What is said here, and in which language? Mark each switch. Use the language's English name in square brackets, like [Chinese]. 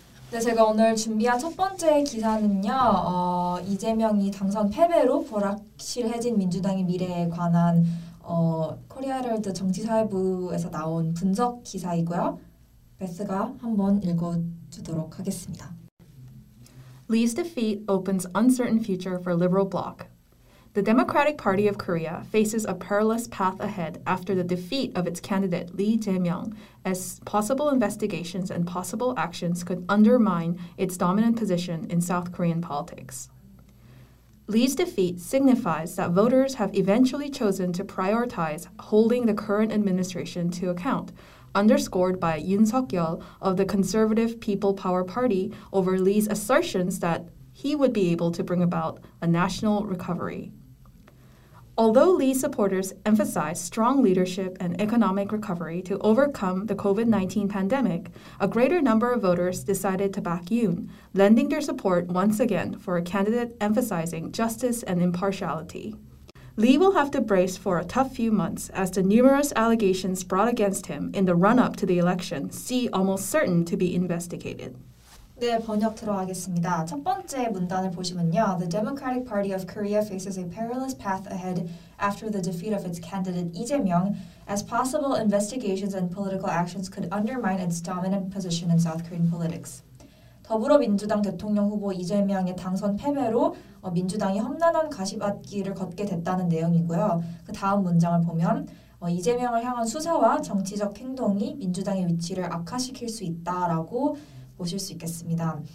[Korean] 네, 제가 오늘 준비한 첫 번째 기사는요. 이재명이 당선 패배로 불확실해진 민주당의 미래에 관한 코리아헤럴드 정치사회부에서 나온 분석 기사이고요. 베스가 한번 읽어주도록 하겠습니다. [English] Lee's defeat opens uncertain future for liberal bloc. The Democratic Party of Korea faces a perilous path ahead after the defeat of its candidate Lee Jae-myung, as possible investigations and possible actions could undermine its dominant position in South Korean politics. Lee's defeat signifies that voters have eventually chosen to prioritize holding the current administration to account, underscored by Yoon Suk-yeol of the Conservative People Power Party over Lee's assertions that he would be able to bring about a national recovery. Although Lee supporters emphasize strong leadership and economic recovery to overcome the COVID-19 pandemic, a greater number of voters decided to back Yoon, lending their support once again for a candidate emphasizing justice and impartiality. Lee will have to brace for a tough few months as the numerous allegations brought against him in the run-up to the election seem almost certain to be investigated. [Korean] 네, 번역 들어가겠습니다. 첫 번째 문단을 보시면요. [English] The Democratic Party of Korea faces a perilous path ahead after the defeat of its candidate, Lee Jae-myung, as possible investigations and political actions could undermine its dominant position in South Korean politics. [Korean] 더불어민주당 대통령 후보 이재명의 당선 패배로 민주당이 험난한 가시밭길을 걷게 됐다는 내용이고요. 그 다음 문장을 보면 이재명을 향한 수사와 정치적 행동이 민주당의 위치를 악화시킬 수 있다라고 보실 수 있겠습니다.